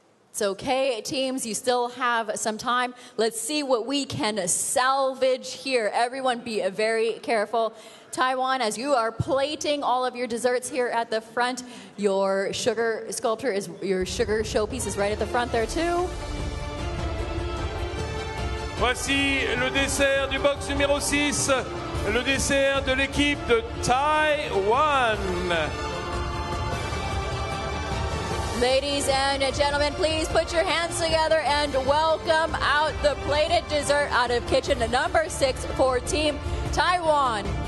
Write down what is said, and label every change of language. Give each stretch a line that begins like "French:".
English: It's okay, teams, you still have some time. Let's see what we can salvage here. Everyone be very careful. Taiwan, as you are plating all of your desserts here at the front, your sugar showpiece is right at the front there too.
French: Voici le dessert du box numéro 6, le dessert de l'équipe de Taiwan.
English: Ladies and gentlemen, please put your hands together and welcome out the plated dessert out of kitchen number 6 for Team Taiwan.